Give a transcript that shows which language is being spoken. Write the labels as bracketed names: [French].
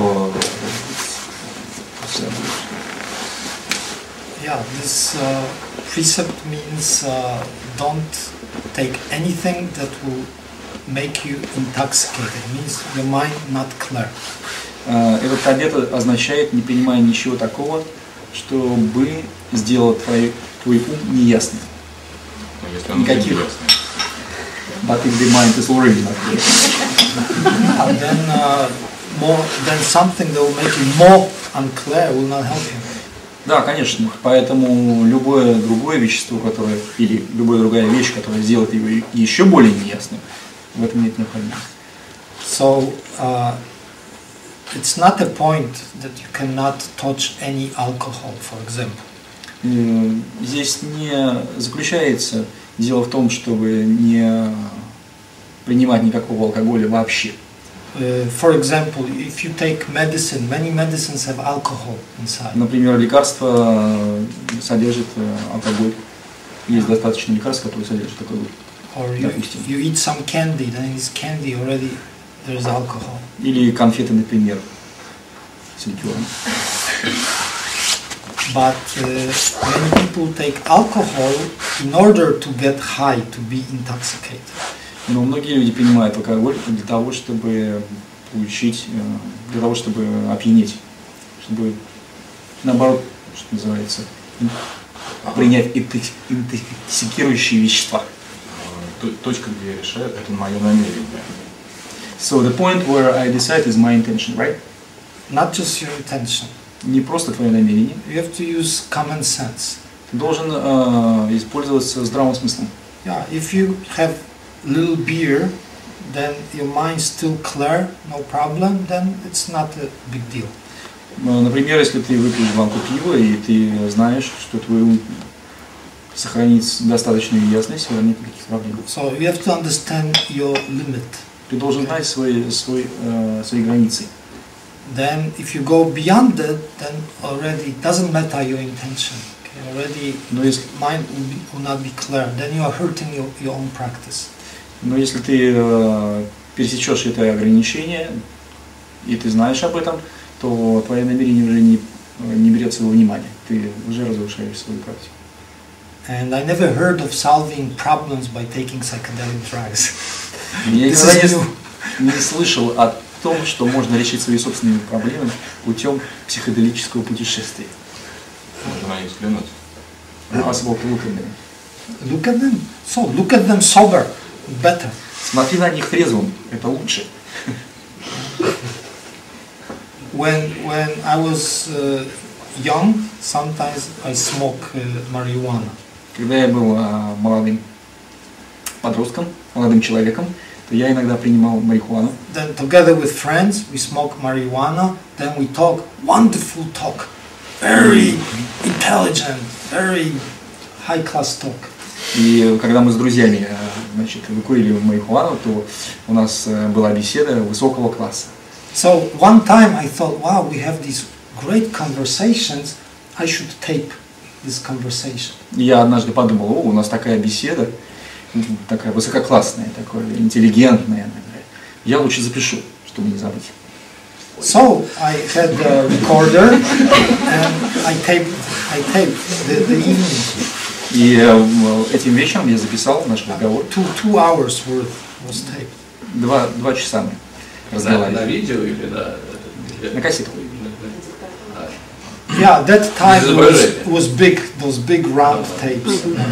[English] So. Yeah, this precept means don't take anything that will make you intoxicated. It means your mind not clear. [Russian] Этот обет означает не принимая ничего такого, чтобы сделать твой ум неясным. Никаких. [English] But if the mind is already not clear. And then then something that will make you more unclear will not help you. [Russian] Да, конечно. Поэтому любое другое вещество, которое или любая другая вещь, которая сделает его еще более неясным, в этом нет необходимости. [English] So it's not a point that you cannot touch any alcohol, for example. [Russian] Здесь не заключается дело в том, чтобы не принимать никакого алкоголя вообще. [English] For example, if you take medicine, many medicines have alcohol inside. [Russian] Например, лекарство содержит алкоголь. Есть достаточно лекарств, которые содержат алкоголь. [English] Or you eat some candy, then in this candy already there is alcohol. [Russian] Или конфеты, например. Синтюрм. [English] But many people take alcohol in order to get high, to be intoxicated. [Russian] Но многие люди принимают алкоголь для того, чтобы получить, для того, чтобы опьянеть, чтобы, наоборот, что называется, принять интоксикирующие вещества. Точка, где я решаю, это мое намерение. [English] So the point where I decide is my intention, right? Not just your intention. [Russian] Не просто твое намерение. [English] You have to use common sense. [Russian] Ты должен использоваться здравым смыслом. [English] Yeah, if you have little beer, then your mind still clear, no problem, then it's not a big deal. [Russian] Например, если ты выпьешь банку пива, и ты знаешь, что твой ум сохранит достаточную ясность, у тебя нет никаких проблем. [English] So you have to understand your limit. [Russian] Ты должен знать свои границы. [English] Then if you go beyond that, then already it doesn't matter your intention. Okay? Already your mind will not be clear. Then you are hurting your own practice. [Russian] Но если ты пересечешь это ограничение, и ты знаешь об этом, то твое намерение уже не берет своего внимания. Ты уже разрушаешь свою практику. [English] And I never heard of solving problems by taking psychedelic drugs. [Russian] Я никогда не слышал о том, что можно решить свои собственные проблемы путем психоделического путешествия. Можно на них взглянуть. [English] Look at them. So, look at them sober. Better. [Russian] Смотри на них трезвым, это лучше. [English] When I was young, sometimes I smoke marijuana. [Russian] Когда я был молодым подростком, молодым человеком, то я иногда принимал марихуану. [English] Then together with friends we smoke marijuana, then we talk wonderful talk, very intelligent, very high class talk. [Russian] И когда мы с друзьями, значит, выкурили марихуану, то у нас была беседа высокого класса. [English] So one time I thought, wow, we have these great conversations, I should tape this conversation. [Russian] Я однажды подумал, о, у нас такая беседа, такая высококлассная, такое интеллигентная, я лучше запишу, чтобы не забыть. [English] So I had a recorder and I taped the evening. [Russian] И этим вечером я записал наш разговор. [English] Two hours worth was taped. [Russian] Два часа мы разговаривали. На видео или на кассету? [English] Yeah, that time was big, those big round tapes.